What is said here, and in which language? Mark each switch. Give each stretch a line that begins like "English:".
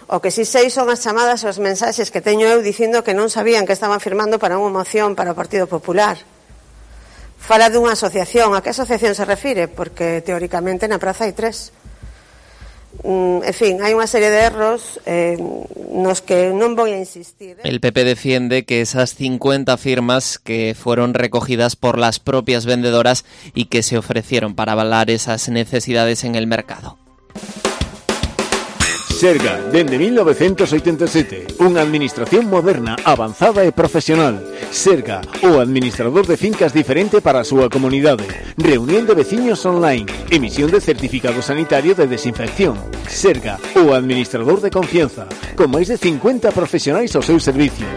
Galician: O que si sei son as chamadas e os mensaxes que teño eu dicindo que non sabían que estaban firmando para unha moción para o Partido Popular. Fala dunha asociación. A que asociación se refire? Porque teóricamente na praza hai 3. En fin, hai unha serie de erros nos que non vou a insistir.
Spanish: El PP defiende que esas 50 firmas que fueron recogidas por las propias vendedoras e que se ofrecieron para avalar esas necesidades en el mercado.
Galician: Serga, dende 1987, unha administración moderna, avanzada e profesional. Serga, o administrador de fincas diferente para a súa comunidade. Reunión de veciños online, emisión de certificado sanitario de desinfección. Serga, o administrador de confianza, con máis de 50 profesionais ao seu servicio.